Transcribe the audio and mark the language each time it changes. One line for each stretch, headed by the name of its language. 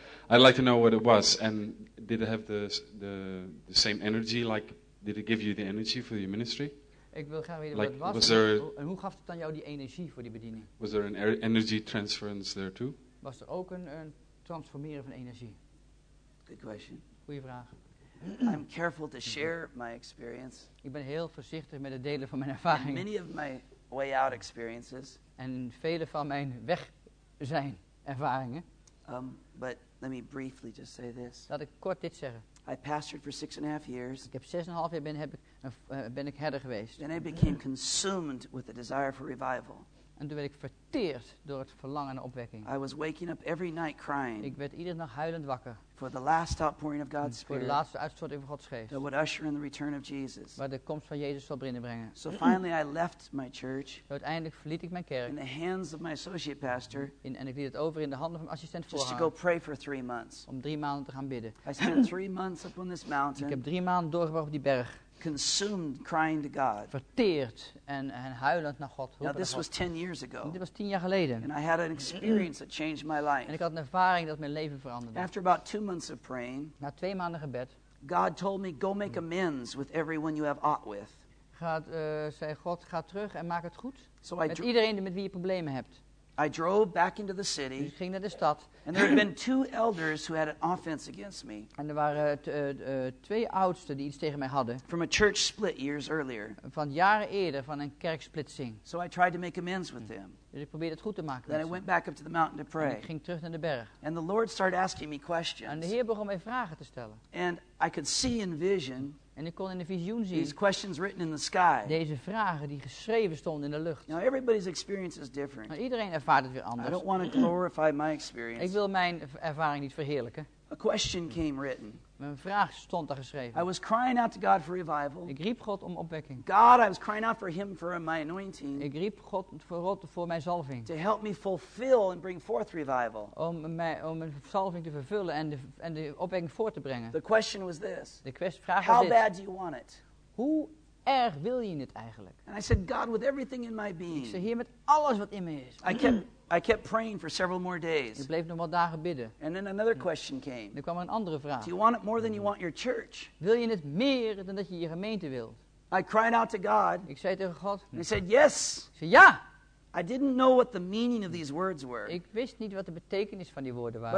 English: I'd like to know what it was, and did it have the same energy? Like, did it give you the energy for your ministry?
Dutch: Ik wil graag weten like, wat het was. En hoe gaf het dan jou die energie voor die bediening?
English: Was there an energy transference there too?
Dutch: Was er ook een transformeren van energie?
English: Good question.
Dutch: Goeie vraag.
English: I'm careful to share my experience.
Dutch: Ik ben heel voorzichtig met het delen van mijn ervaring.
English: Many of my way out experiences.
Dutch: En vele van mijn weg zijn ervaringen.
English: But let me briefly just say this.
Dutch: Laat ik kort dit zeggen.
English: I pastored for 6.5 years.
Dutch: Ik heb 6.5 jaar ben ik herder geweest.
English: Then I became consumed with the desire for revival.
Dutch: En toen werd ik verteerd door het verlangen naar opwekking.
English: I was waking up every night crying.
Dutch: Ik werd iedere nacht huilend wakker.
English: For the last outpouring of God's Spirit.
Dutch: Voor de laatste uitstorting van Gods geest.
English: That would usher in the return of Jesus.
Dutch: Waar de komst van Jezus zal binnenbrengen.
English: So finally I left my church.
Dutch: Uiteindelijk verliet ik mijn kerk.
English: In the hands of my associate pastor.
Dutch: En ik liet het over in de handen van mijn assistent voorhanger.
English: Just to go pray for 3 months.
Dutch: Om 3 maanden te gaan bidden.
English: I spent 3 months up on this mountain.
Dutch: Ik heb 3 maanden doorgebracht op die berg.
English: Consumed crying to God.
Dutch: Verteerd en huilend naar God.
English: Now this was 10 years ago.
Dutch: Dit was 10 jaar geleden.
English: And I had an experience that changed my life.
Dutch: En ik had een ervaring dat mijn leven veranderde.
English: After about 2 months of praying.
Dutch: Na 2 maanden gebed.
English: God told me, go make amends with everyone you have ought with.
Dutch: Zei God, ga terug en maak het goed. So met iedereen met wie je problemen hebt.
English: I drove back into the city.
Dutch: Dus ik ging naar de stad.
English: And there had been 2 elders who had an offense against me.
Dutch: En er waren 2 oudsten die iets tegen mij hadden.
English: From a church split years earlier.
Dutch: Van jaren eerder van een kerksplitsing.
English: So I tried to make amends with them.
Dutch: Dus ik probeerde het goed te maken.
English: Then I went back up to the mountain to pray.
Dutch: En ik ging terug naar de berg.
English: And the Lord started asking me questions.
Dutch: En de Heer begon mij vragen te stellen.
English: And I could see in vision.
Dutch: En ik kon in de visioen zien.
English: These questions written in the sky.
Dutch: Deze vragen die geschreven stonden in de lucht.
English: Now everybody's experience is different.
Dutch: Maar iedereen ervaart het weer anders.
English: I don't want to glorify my experience.
Dutch: Ik wil mijn ervaring niet verheerlijken.
English: A question came written.
Dutch: Mijn vraag stond daar geschreven.
English: I was crying out to God for revival.
Dutch: Ik riep God om opwekking.
English: God, I was crying out for Him for my anointing.
Dutch: Ik riep God voor mijn zalving.
English: To help me fulfill and bring forth revival.
Dutch: Om mijn zalving te vervullen en de opwekking voor te brengen.
English: The question was this.
Dutch: De vraag
English: How was bad do you want it?
Dutch: Hoe erg wil je het eigenlijk?
English: And I said, God, with everything in my being.
Dutch: Ik zei, Heer, met alles wat in me is.
English: I kept praying for several more days.
Dutch: Ik bleef nog wel dagen bidden.
English: And then another question came.
Dutch: Er kwam een andere vraag.
English: Do you want it more than you want your church?
Dutch: Wil je het meer dan dat je je gemeente wilt?
English: I cried out to God.
Dutch: Ik zei tegen God.
English: And he said yes.
Dutch: Ik zei ja.
English: I didn't know what the meaning of these words were.
Dutch: Ik wist niet wat de betekenis van die woorden waren.